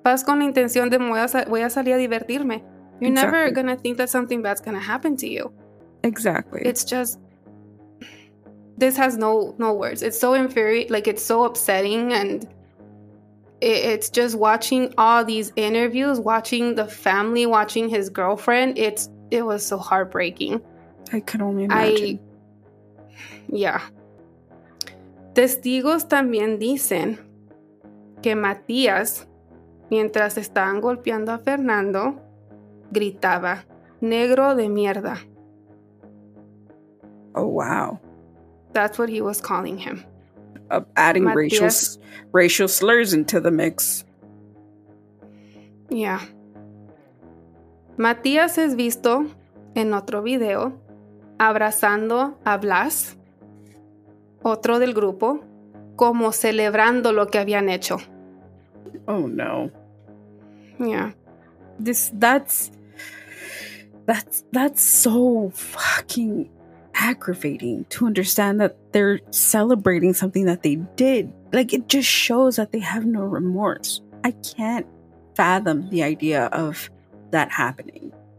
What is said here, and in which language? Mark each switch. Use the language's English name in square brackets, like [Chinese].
[Spanish] Vas con la intención de, voy a salir a divertirme. [English] You're exactly. never going to think that something bad's going to happen to you. Exactly. It's just... This has no words. It's so infuriating. Like, it's so upsetting. And it's just watching all these interviews, watching the family, watching his girlfriend. It was so heartbreaking. I can only imagine. Yeah. [Spanish] Testigos también dicen que Matías, mientras estaban golpeando a Fernando, gritaba, negro de mierda. [English] Oh, wow. That's what he was calling him. Adding Matias. racial slurs into the mix. Yeah. [Spanish] Matías es visto en otro video abrazando a Blas, otro del grupo, como celebrando lo que habían hecho. [English] Oh, no. Yeah. That's so fucking aggravating to understand that they're celebrating something that they did. Like, it just shows that they have no remorse. I can't fathom the idea of that happening.